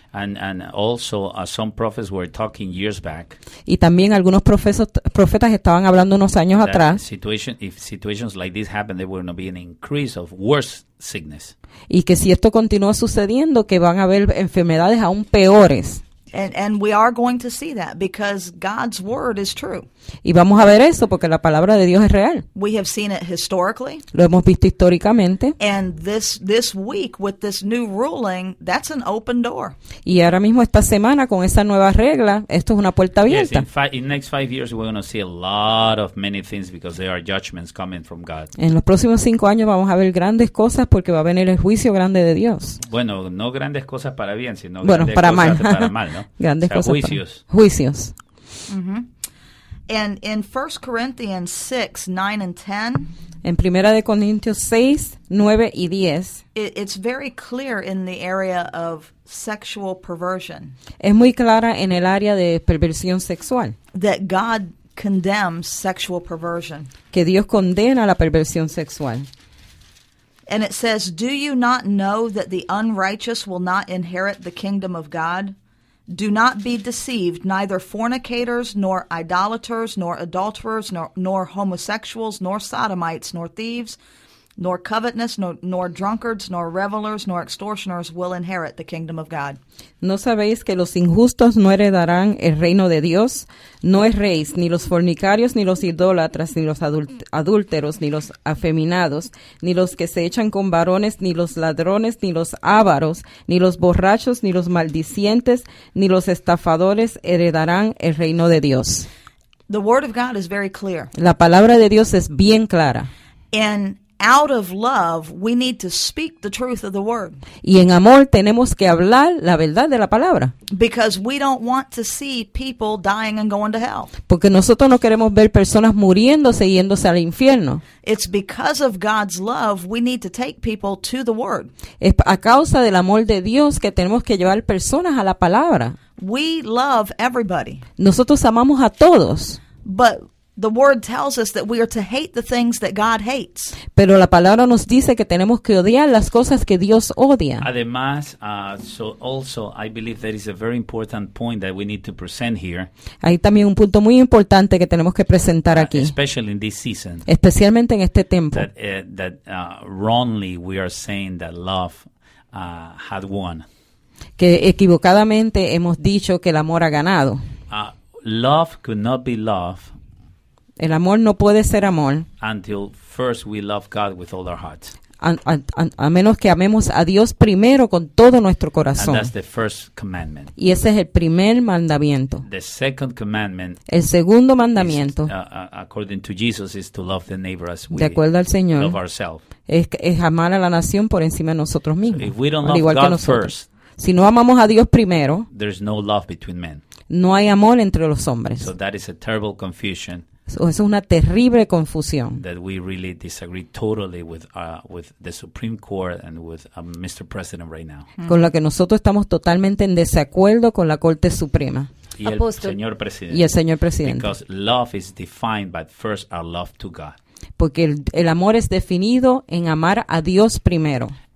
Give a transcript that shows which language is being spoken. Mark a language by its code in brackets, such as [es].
[en] And also some prophets were talking years back. [es] Y también algunos profetas estaban hablando unos años atrás. [en] If situations like this happen, there will not be an increase of worse sickness. [es] Y que si esto continúa sucediendo, que van a haber enfermedades aún peores. [en] And we are going to see that because God's word is true. [es] Y vamos a ver eso porque la palabra de Dios es real. [en] We have seen it historically. [es] Lo hemos visto históricamente. [en] And this week with this new ruling, that's an open door. [es] Y ahora mismo esta semana con esa nueva regla, esto es una puerta abierta. [en] Yes, in next 5 years we're going to see a lot of many things because there are judgments coming from God. [es] En los próximos 5 años vamos a ver grandes cosas porque va a venir el juicio grande de Dios. Bueno, no grandes cosas para bien, sino bueno, grandes cosas mal. Para mal. ¿No? Grandes, o sea, cosas, juicios. Para, juicios. [en] Mm-hmm. And in 1 Corinthians 6, 9 and 10, [es] en Primera de Corintios 6, 9 y 10, [en] it's very clear in the area of sexual perversion. [es] Es muy clara en el área de perversión sexual. [en] That God condemns sexual perversion. [es] Que Dios condena la perversión sexual. [en] And it says, "Do you not know that the unrighteous will not inherit the kingdom of God? Do not be deceived, neither fornicators, nor idolaters, nor adulterers, nor homosexuals, nor sodomites, nor thieves, nor covetous, nor drunkards, nor revelers, nor extortioners will inherit the kingdom of God. [es] ¿No sabéis que los injustos no heredarán el reino de Dios? No erréis, ni los fornicarios, ni los idólatras, ni los adúlteros, ni los afeminados, ni los que se echan con varones, ni los ladrones, ni los ávaros, ni los borrachos, ni los maldicientes, ni los estafadores heredarán el reino de Dios. [en] The word of God is very clear. [es] La palabra de Dios es bien clara. [en] And out of love, we need to speak the truth of the word. [es] Y en amor tenemos que hablar la verdad de la palabra. [en] Because we don't want to see people dying and going to hell. [es] Porque nosotros no queremos ver personas muriéndose y yéndose al infierno. [en] It's because of God's love we need to take people to the word. [es] Es a causa del amor de Dios que tenemos que llevar personas a la palabra. [en] We love everybody. [es] Nosotros amamos a todos. [en] But the word tells us that we are to hate the things that God hates. [es] Pero la palabra nos dice que tenemos que odiar las cosas que Dios odia. Además, [en] also I believe there is a very important point that we need to present here. [es] Hay también un punto muy importante que tenemos que presentar aquí. [en] Especially in this season. [es] Especialmente en este tiempo. [en] That wrongly we are saying that love had won. [es] Que equivocadamente hemos dicho que el amor ha ganado. [en] Love could not be love. [es] El amor no puede ser amor. [en] Until first we love God with all our hearts. [es] A menos que amemos a Dios primero con todo nuestro corazón. [en] And that's the first commandment. [es] Y ese es el primer mandamiento. [en] The second commandment. [es] El segundo mandamiento. [en] Is, according to Jesus, is to love the neighbor as we [es] de acuerdo al Señor, [en] love ourselves. [es] Es amar a la nación por encima de nosotros mismos. [en] So if we don't love God first, [es] si no amamos a Dios primero, [en] there's no love between men. [es] No hay amor entre los hombres. [en] So that is a terrible confusion. [es] Eso es una terrible confusión. [en] That we really disagree totally with the Supreme Court and with Mr. President right now. Mm-hmm. [es] Con la que nosotros estamos totalmente en desacuerdo con la Corte Suprema. Y el Apóstol. Señor Presidente. Y el Señor Presidente. [en] Because love is defined by first our love to God. [es] Porque el amor es definido en amar a Dios primero.